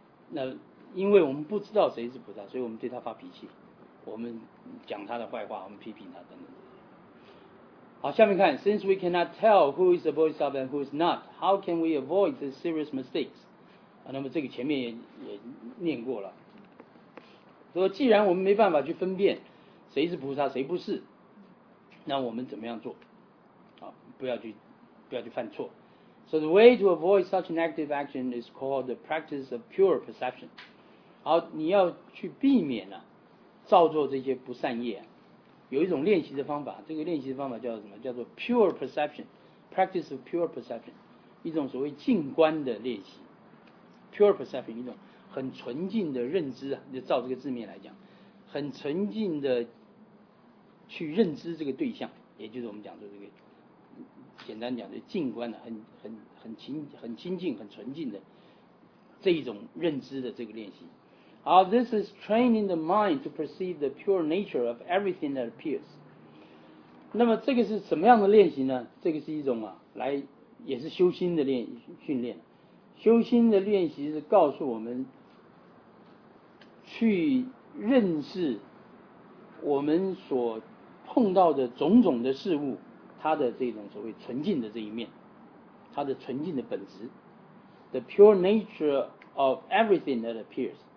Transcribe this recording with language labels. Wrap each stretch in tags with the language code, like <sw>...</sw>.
<zh>那因为我们不知道谁是菩萨，所以我们对他发脾气，我们讲他的坏话，我们批评他等等。好，下面看</zh> <en>，Since we cannot tell who is a bodhisattva and who is not, how can we avoid the serious mistakes?</en> <zh>啊、那么这个前面 也念过了，说既然我们没办法去分辨谁是菩萨谁不是，那我们怎么样做、啊、不要去犯错。</zh> <en>So the way to avoid such negative action is called the practice of pure perception.</en> <zh>好，你要去避免、啊、造作这些不善业，有一种练习的方法，这个练习的方法叫什么？叫做</zh> <en>pure perception, practice of pure perception,</en> <zh>一种所谓静观的练习。</zh> <en>Pure perception</en> <zh>一种很纯净的认知啊，就照这个字面来讲，很沉浸的去认知这个对象，也就是我们讲的这个，简单讲的静观的，很清净、很纯净的这一种认知的这个练习。好</zh> <en>，this is training the mind to perceive the pure nature of everything that appears。</en> <zh>那么这个是什么样的练习呢？这个是一种啊，来也是修心的训练。修心的练习是告诉我们去认识我们所碰到的种种的事物，它的这种所谓纯净的这一面，它的纯净的本质 ，</zh> <en>the pure nature of everything that appears。</en>